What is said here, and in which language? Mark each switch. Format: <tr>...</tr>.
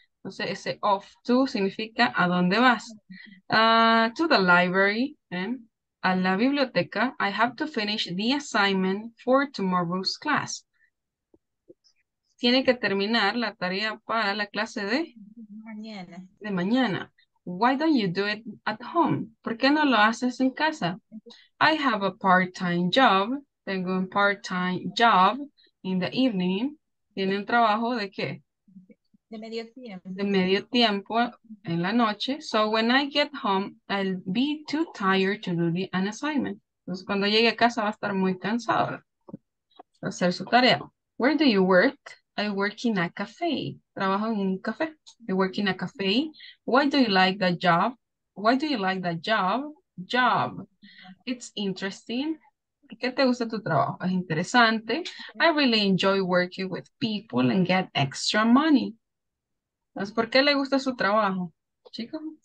<es>Entonces ese</es> <en>off to</en> <es>significa a dónde vas.</es> <en>To the library,</en> <es>a la biblioteca.</es> <en>I have to finish the assignment for tomorrow's class.</en> <es>Tiene que terminar la tarea para la clase de mañana. De mañana.</es> <en>Why don't you do it at home?</en> <es>¿Por qué no lo haces en casa?</es> <en>I have a part-time job.</en> <es>Tengo un</es> <en>part-time job in the evening.</en> <es>¿Tiene un trabajo de qué? De medio tiempo. De medio tiempo en la noche.</es> <en>So when I get home, I'll be too tired to do an assignment.</en> <es>Entonces cuando llegue a casa va a estar muy cansado de hacer su tarea.</es> <en>Where do you work? I work in a cafe.</en> <es>Trabajo en un café.</es> <en>I work in a cafe. Why do you like that job? Why do you like that job? Job. It's interesting.</en> <es>¿Qué te gusta tu trabajo? Es interesante.</es> <en>I really enjoy working with people and get extra money.</en> <es>¿Entonces por qué le gusta su trabajo, chicos?</es>